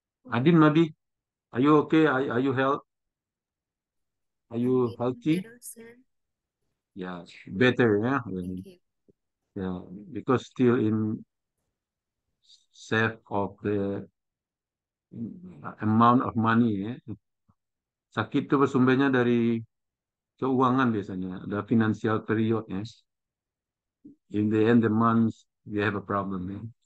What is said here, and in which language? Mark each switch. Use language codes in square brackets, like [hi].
[en] Adin, maybe, are you okay? Are you healthy? Are you healthy? Better, sir. Yes, better, yeah. Thank you. Yeah, because still in safe of the amount of money, yeah. [id] Sakit itu sumbernya dari keuangan biasanya, ada [en] financial period, [id] yes. [en] In the end of the month, we have a problem, yeah.